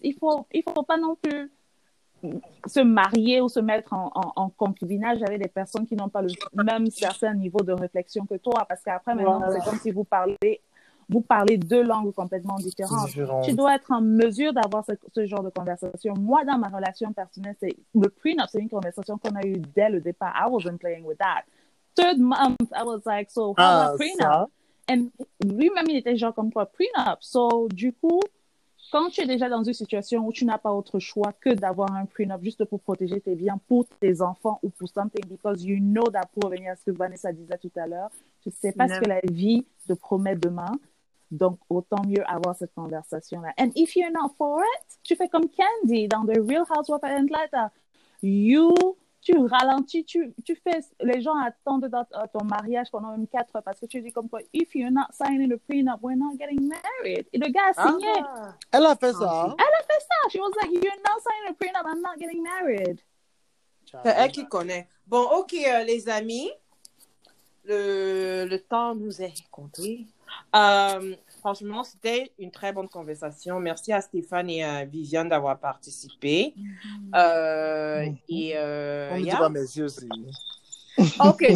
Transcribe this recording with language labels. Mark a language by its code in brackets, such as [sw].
[fr] Il faut pas non plus se marier ou se mettre en concubinage avec des personnes qui n'ont pas le même certain niveau de réflexion que toi, parce qu'après maintenant, voilà, c'est comme si vous parlez deux langues complètement différentes. Tu dois être en mesure d'avoir ce genre de conversation. Moi, dans ma relation personnelle, c'est le prenup, c'est une conversation qu'on a eue dès le départ. [en] I wasn't playing with that. Third month, I was like, so how about prenup? And [fr] lui-même, il était genre comme quoi, prenup. [en] So, [fr] du coup, quand tu es déjà dans une situation où tu n'as pas autre choix que d'avoir un prenup juste pour protéger tes biens, pour tes enfants ou pour [en] something, because you know that, [fr] pour revenir à ce que Vanessa disait tout à l'heure, tu ne sais pas ce que la vie te promet demain. Donc, autant mieux avoir cette conversation-là. [en] And if you're not for it, [fr] tu fais comme Candy dans The Real Housewives of Atlanta. Tu ralentis, tu fais, les gens attendent dans ton mariage pendant même 4 heures parce que tu dis comme quoi, [en] if you're not signing the prenup, we're not getting married. [fr] Et le gars a signé. Elle a fait ça. Elle a fait ça. [en] She was like, you're not signing the prenup, I'm not getting married. [fr] C'est elle qui connaît. Bon, ok, les amis, le temps nous est compté. Franchement, c'était une très bonne conversation. Merci à Stéphane et à Viviane d'avoir participé. Merci aussi. Ok.